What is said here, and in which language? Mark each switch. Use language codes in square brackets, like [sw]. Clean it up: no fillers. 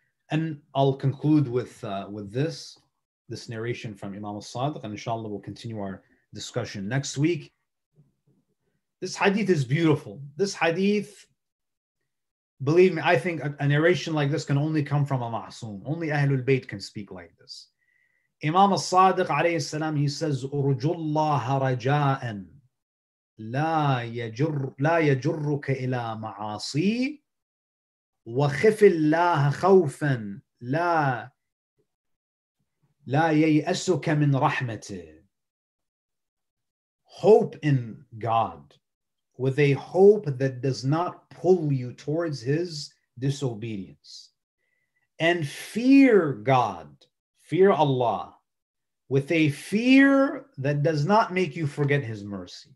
[en] And I'll conclude with this narration from Imam al-Sadiq, and inshallah we'll continue our discussion next week. This hadith is beautiful. This hadith, believe me, I think a narration like this can only come from a ma'asoom. Only Ahlul Bayt can speak like this. Imam al-Sadiq alayhi salam, he says, [ar] أرجو الله رجاء لا يجرك إلى معاصي وخف الله خوفا لا ييأسك من رحمته. [en] Hope in God with a hope that does not pull you towards his disobedience, and fear God, fear Allah, with a fear that does not make you forget His mercy.